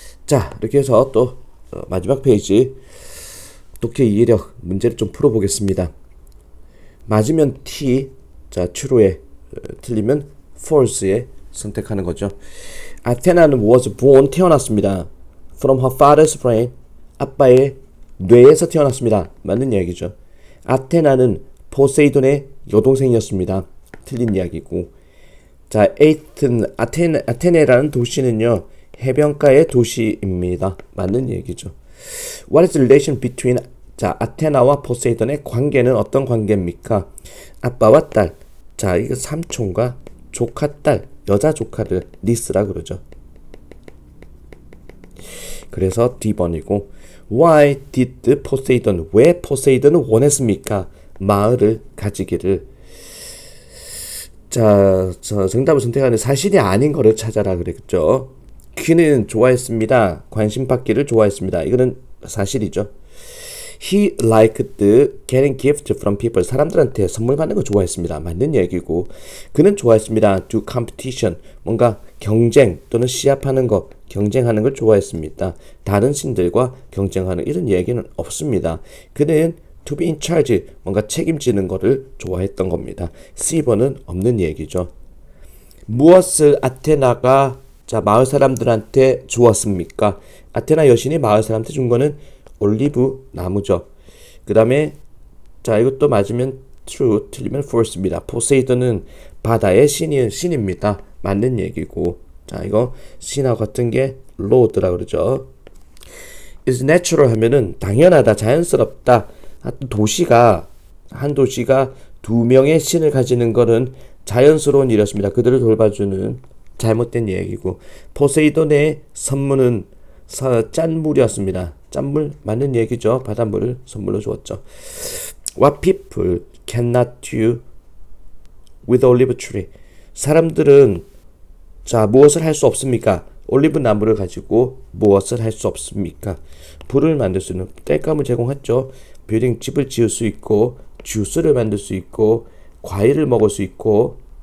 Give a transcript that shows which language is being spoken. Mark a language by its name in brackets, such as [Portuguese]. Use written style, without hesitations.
[Korean] 자, 이렇게 해서 또 마지막 페이지 독해 이해력 문제를 좀 풀어보겠습니다. 맞으면 T, 자, 트루에 틀리면 force에 선택하는 거죠. 아테나는 [English] was born [Korean] 태어났습니다. [English] From her father's brain [Korean] 아빠의 뇌에서 태어났습니다. 맞는 이야기죠. 아테나는 포세이돈의 여동생이었습니다. 틀린 이야기고. 자, 에이튼 아테네라는 도시는요. 해변가의 도시입니다. 맞는 얘기죠. [English] What is the relation between [Korean] 자, 아테나와 포세이돈의 관계는 어떤 관계입니까? 아빠와 딸. 자, 이거 삼촌과 조카 딸, 여자 조카를 니스라 그러죠. 그래서 D번이고, [English] Why did Poseidon, [Korean] 왜 포세이돈은 원했습니까? 마을을 가지기를. 자, 저 정답을 선택하는데 사실이 아닌 거를 찾아라 그랬죠. 퀸은 좋아했습니다. 관심 받기를 좋아했습니다. 이거는 사실이죠. [English] He liked getting gifts from people. [Korean] 사람들한테 선물 받는 거 좋아했습니다. 맞는 얘기고. 그는 좋아했습니다. [English] Do competition. [Korean] 뭔가 경쟁 또는 시합하는 거, 경쟁하는 걸 좋아했습니다. 다른 신들과 경쟁하는 이런 얘기는 없습니다. 그는 [English] to be in charge. [Korean] 뭔가 책임지는 거를 좋아했던 겁니다. C번은 없는 얘기죠. 무엇을 아테나가 자, 마을 사람들한테 주었습니까? 아테나 여신이 마을 사람한테 준 거는 올리브 나무죠. 그 다음에 자 이것도 맞으면 true, 틀리면 false입니다. 포세이돈은 바다의 신입니다. 맞는 얘기고 자 이거 신하 같은 게 로드라 그러죠. [English] is natural [Korean] 하면은 당연하다, 자연스럽다. 한 도시가 두 명의 신을 가지는 것은 자연스러운 일이었습니다. 그들을 돌봐주는 잘못된 얘기고, 포세이돈의 선물은 짠물이었습니다. 짠물 맞는 얘기죠. 바닷물을 선물로 주었죠. [English] What people cannot do with olive tree? [Korean] 사람들은 자 무엇을 할수 없습니까? 올리브 나무를 가지고 무엇을 할수 없습니까? 불을 만들 수 있는 땔감을 제공했죠. 빌딩 집을 지을 수 있고 주스를 만들 수 있고 과일을 먹을 수 있고.